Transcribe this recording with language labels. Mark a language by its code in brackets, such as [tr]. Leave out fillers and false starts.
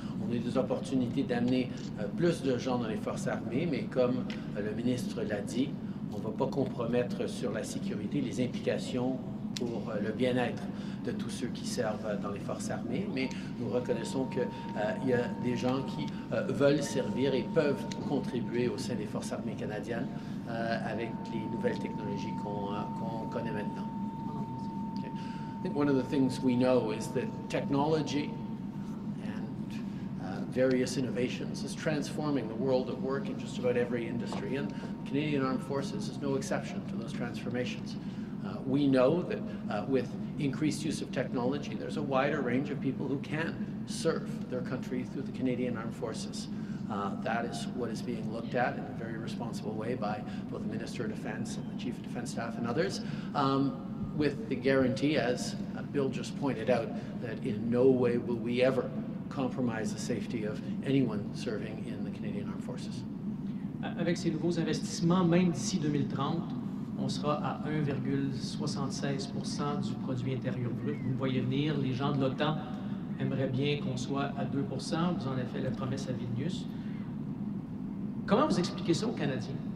[fr] On a des opportunités d'amener plus de gens dans les Forces armées, mais comme le ministre l'a dit, on ne va pas compromettre sur la sécurité les implications pour le bien-être de tous ceux qui servent dans les Forces armées, mais nous reconnaissons qu'il y a des gens qui veulent servir et peuvent contribuer au sein des Forces armées canadiennes avec les nouvelles technologies qu'on connaît maintenant. [en] Okay. I think one of the things we know is that technology and various innovations is transforming the world of work in just about every industry, and Canadian Armed Forces is no exception to those transformations. We know that with increased use of technology, there's a wider range of people who can serve their country through the Canadian Armed Forces. That is what is being looked at in a very responsible way by both the Minister of Defense and the Chief of Defense Staff and others, with the guarantee, as Bill just pointed out, that in no way will we ever compromise the safety of anyone serving in the Canadian Armed Forces. [fr] Avec ces nouveaux investissements, même d'ici 2030, on sera à 1,76% du produit intérieur brut. Vous me voyez venir, les gens de l'OTAN aimeraient bien qu'on soit à 2%. Vous en avez fait la promesse à Vilnius. Comment vous expliquez ça aux Canadiens?